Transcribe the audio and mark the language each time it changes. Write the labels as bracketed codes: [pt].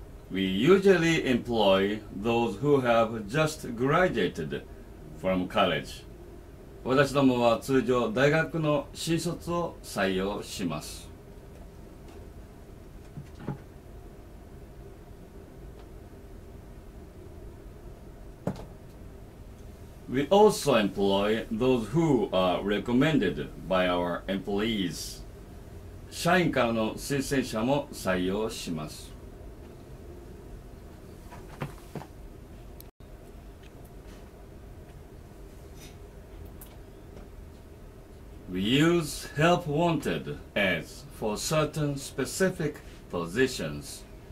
[en] We usually employ those who have just graduated from college. [ja] 私どもは通常大学の新卒を採用します。 [en] We also employ those who are recommended by our employees. [ja] 社員からの推薦者も採用します。 [en] We use help wanted ads for certain specific positions.